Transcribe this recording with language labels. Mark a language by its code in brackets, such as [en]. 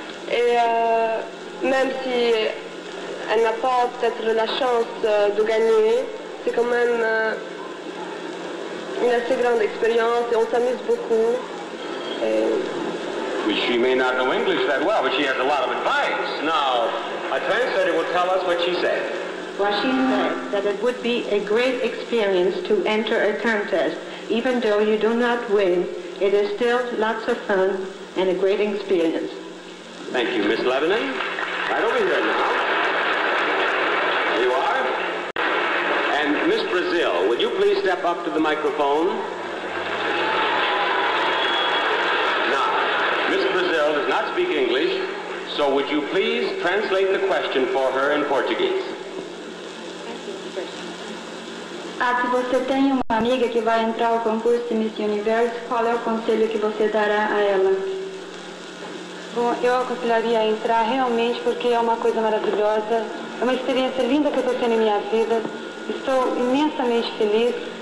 [fr] Et même si elle n'a pas peut-être la chance de gagner, c'est quand même une assez grande expérience et on s'amuse beaucoup. [en] She may not know English that well, but she has a lot of advice. Now, a translator will tell us what she said. Well, she said that it would be a great experience to enter a contest. Even though you do not win, it is still lots of fun and a great experience. Thank you, Miss Lebanon. Right over here now. There you are. And Miss Brazil, would you please step up to the microphone? Now, Miss Brazil does not speak English, so would you please translate the question for her in Portuguese? [pt] Ah, se você tem uma amiga que vai entrar ao concurso de Miss Universo, qual é o conselho que você dará a ela? Bom, eu aconselharia a entrar realmente porque é uma coisa maravilhosa, é uma experiência linda que eu estou tendo em minha vida, estou imensamente feliz.